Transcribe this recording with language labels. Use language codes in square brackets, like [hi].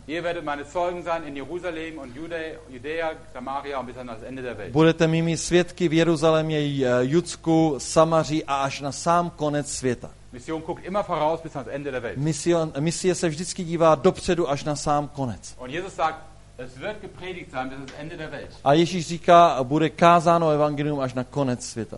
[de] Ihr werdet meine Zeugen sein in Jerusalem und Judäa, Samaria und bis an das Ende der Welt. [cs] Budete mými svědky v Jeruzalémě, Judsku, Samaří a až na sám konec světa. [de] Mission guckt immer voraus bis ans Ende der Welt. [cs] Misie se vždycky dívá dopředu až na sám konec. [de] Und Jesus sagt, es wird gepredigt sein bis ans Ende der Welt. [cs] A Ježíš říká, bude kázáno evangelium až na konec světa.